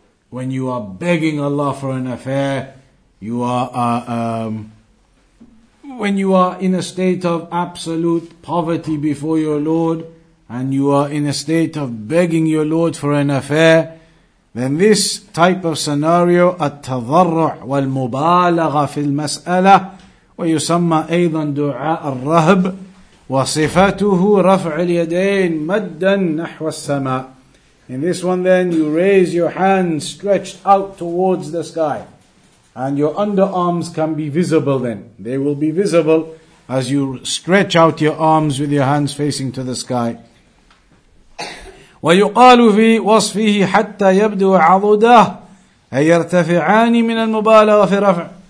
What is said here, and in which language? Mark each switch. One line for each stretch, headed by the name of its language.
English: When you are begging Allah for an affair, you are when you are in a state of absolute poverty before your Lord, and you are in a state of begging your Lord for an affair, then this type of scenario,
Arabic: التضرع والمبالغة في المسألة ويسمى أيضا دعاء الرهب وصفته رفع اليدين مدا نحو السماء.
English: In this one then, you raise your hands stretched out towards the sky. And your underarms can be visible then. They will be visible as you stretch out your arms with your hands facing to the sky.
Arabic: وَيُقَالُ فِي وَصْفِهِ حَتَّى يَبْدُوَ عَضُدَهُ أَيْ يَرْتَفِعَانِ مِنَ الْمُبَالَغَ فِي رَفْعِ.